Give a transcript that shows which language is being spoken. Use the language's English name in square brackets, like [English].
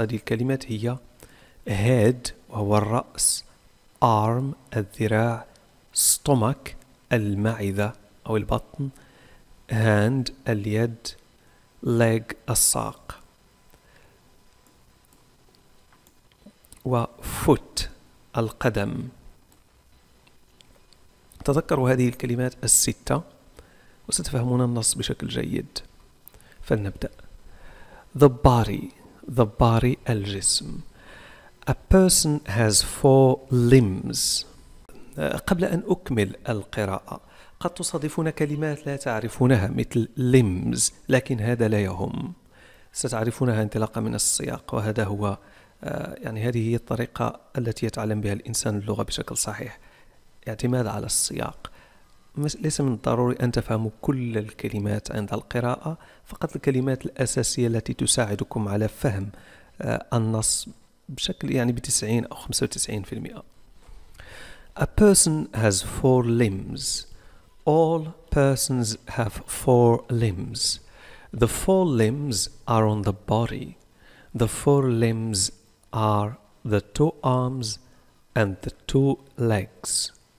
[Arabic] هذه الكلمات هي head وهو الرأس، arm الذراع، stomach المعدة أو البطن، hand اليد، leg الساق، و foot القدم. تذكروا هذه الكلمات الستة وستفهمون النص بشكل جيد. فلنبدأ. [English] The body الجسم. A person has four limbs. [Arabic] قبل أن أكمل القراءة، قد تصادفون كلمات لا تعرفونها مثل limbs، لكن هذا لا يهم، ستعرفونها انطلاقا من السياق، وهذا هو يعني هذه هي الطريقة التي يتعلم بها الإنسان اللغة بشكل صحيح، اعتماد على السياق. ليس من الضروري أن تفهموا كل الكلمات عند القراءة، فقط الكلمات الأساسية التي تساعدكم على فهم النص بشكل يعني بتسعين أو 95%. [English] A person has four limbs. All persons have four limbs. The four limbs are on the body. The four limbs are the two arms and the two legs.